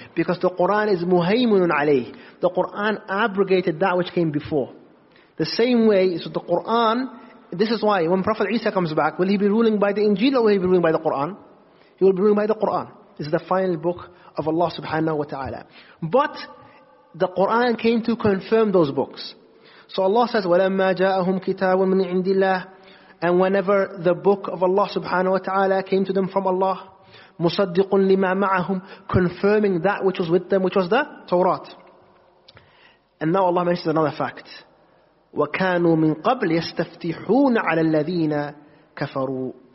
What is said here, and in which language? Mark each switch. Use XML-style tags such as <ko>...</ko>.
<en>Because the Quran is muhaymunun alayh. The Quran abrogated that which came before. The same way, so the Quran... This is why when Prophet Isa comes back, will he be ruling by the Injil or will he be ruling by the Quran? He will be ruling by the Quran. This is the final book of Allah subhanahu wa ta'ala. But the Quran came to confirm those books.</en> <ar>So Allah says, وَلَمَّا جَاءَهُمْ كِتَابٌ مِنْ عِنْدِ اللَّهِ.</ar> <en>And whenever the book of Allah subhanahu wa ta'ala came to them from Allah, مُصَدِّقٌ لِمَا مَعَهُمْ, confirming that which was with them, which was the Torah. And now Allah mentions another fact.</en> <ar>وَكَانُوا مِنْ قَبْلِ يَسْتَفْتِحُونَ عَلَى الَّذِينَ كَفَرُوا.</ar>